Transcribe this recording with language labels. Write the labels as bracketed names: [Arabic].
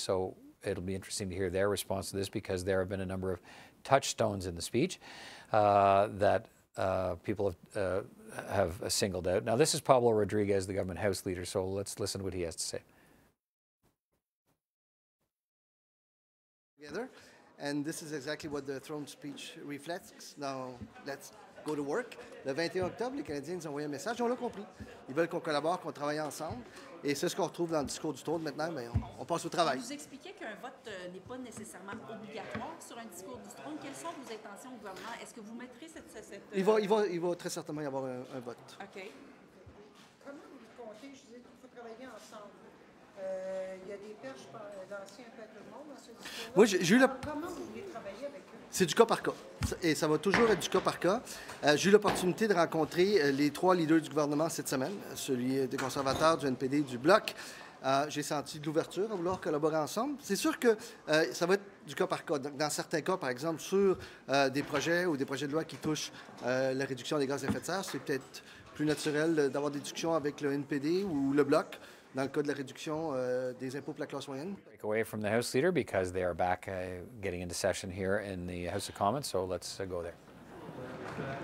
[English] So it'll be interesting to hear their response to this, because there have been a number of touchstones in the speech that people have singled out. Now, this is Pablo Rodriguez, the government House leader. So let's listen to what he has to say. Together, and this is exactly what the throne speech reflects. Now, let's go to work. [French] Le 21 octobre, les Canadiens nous ont envoyé un message, on l'a compris. Ils veulent qu'on collabore, qu'on travaille ensemble. Et c'est ce qu'on retrouve dans le discours du trône maintenant, mais on passe au travail. Vous expliquez qu'un vote n'est pas nécessairement obligatoire sur un discours du trône. Quelles sont vos intentions au gouvernement? Est-ce que vous mettrez cette... Il va très certainement y avoir un vote. OK. Comment vous comptez? Je disais qu'il faut travailler ensemble. Moi, j'ai eu la... C'est du cas par cas. Et ça va toujours être du cas par cas. J'ai eu l'opportunité de rencontrer les trois leaders du gouvernement cette semaine, celui des conservateurs, du NPD, du Bloc. J'ai senti de l'ouverture à vouloir collaborer ensemble. C'est sûr que ça va être du cas par cas. Donc, dans certains cas, par exemple, sur des projets ou des projets de loi qui touchent la réduction des gaz à effet de serre, c'est peut-être plus naturel d'avoir des discussions avec le NPD ou le Bloc. Dans le cas de la réduction des impôts pour la classe moyenne. [English] Break away from the House leader, because they are back getting into session here in the House of Commons, so let's go there.